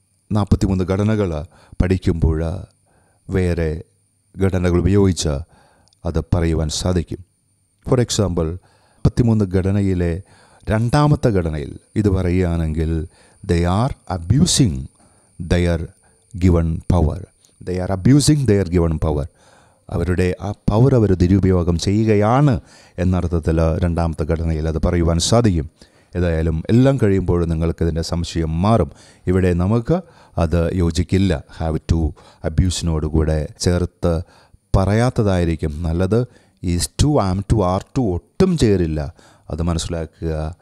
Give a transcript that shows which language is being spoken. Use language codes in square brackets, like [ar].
[ml] 43 ഘടനകൾ പഠിക്കുമ്പോൾ വേറെ ഘടനകൾ ഉപയോഗിച്ച് അത് പറയുവാൻ സാധിക്കും. ഫോർ എക്സാമ്പിൾ, 43 ഘടനയിലെ രണ്ടാമത്തെ ഘടനയിൽ ഇത് പറയുകയാണെങ്കിൽ, [en] The are abusing their given power. They are abusing their given power. [ml] അവരുടെ ആ പവർ അവർ ദുരുപയോഗം ചെയ്യുകയാണ് എന്നർത്ഥത്തിൽ രണ്ടാമത്തെ ഘടനയിൽ അത് പറയുവാൻ സാധിക്കും. ഏതായാലും എല്ലാം കഴിയുമ്പോഴും നിങ്ങൾക്കിതിൻ്റെ സംശയം മാറും. ഇവിടെ നമുക്ക് അത് യോജിക്കില്ല. ഹാവ് ടു അബ്യൂസിനോടുകൂടെ ചേർത്ത് പറയാത്തതായിരിക്കും നല്ലത്. Is to, am to, R to ഒട്ടും ചേരില്ല. അത് മനസ്സിലാക്കുക.